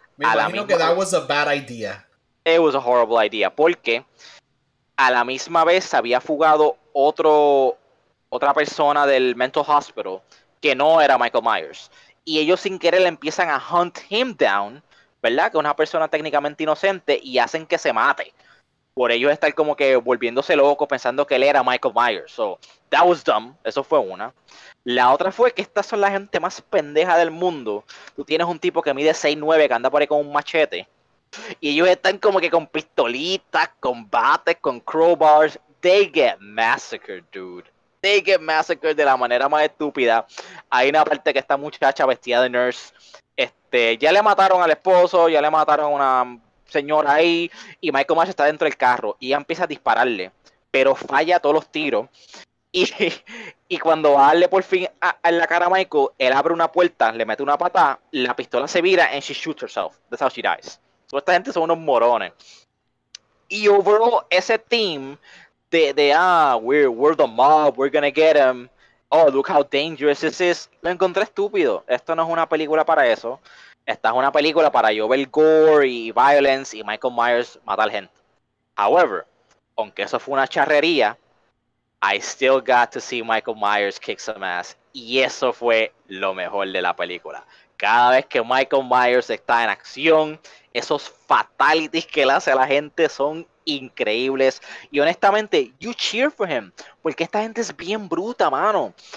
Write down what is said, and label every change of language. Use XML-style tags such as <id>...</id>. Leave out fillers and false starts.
<es>me imagino que</es> <en>that was a bad idea. It was a horrible idea,</en> <es>porque a la misma vez se había fugado otra persona del mental hospital que no era Michael Myers, y ellos sin querer le empiezan a</es> <en>hunt him down,</en> <es>¿verdad? Que es una persona técnicamente inocente, y hacen que se mate por ellos estar como que volviéndose loco pensando que él era Michael Myers.</es> <en>So that was dumb.</en> <es>Eso fue una. La otra fue que estas son la gente más pendeja del mundo. Tú tienes un tipo que mide 6'9", que anda por ahí con un machete, y ellos están como que con pistolitas, con bates, con crowbars.</es> <en>They get massacred, dude. They get massacred</en> <es>de la manera más estúpida. Hay una parte que esta muchacha vestida de nurse, ya le mataron al esposo, ya le mataron a una señora ahí, y Michael Myers está dentro del carro, y ella empieza a dispararle, pero falla todos los tiros, y cuando va a darle por fin en la cara a Michael, él abre una puerta, le mete una patada, la pistola se vira,</es> <en>and she shoots herself. That's how she dies.</en> <es>So, esta gente son unos morones. Y overall, ese team...</es> <en>We're the mob, we're gonna get him. Oh, look how dangerous this is.</en> <es>Lo encontré estúpido. Esto no es una película para eso. Esta es una película para yo ver gore y violence y Michael Myers matar gente.</es> <en>However,</en> <es>aunque eso fue una charrería,</es> <en>I still got to see Michael Myers kick some ass.</en> <es>Y eso fue lo mejor de la película. Cada vez que Michael Myers está en acción, esos fatalities que le hace a la gente son increíbles, y honestamente</es> <en>you cheer for him,</en> <es>porque esta gente es bien bruta, mano.</es>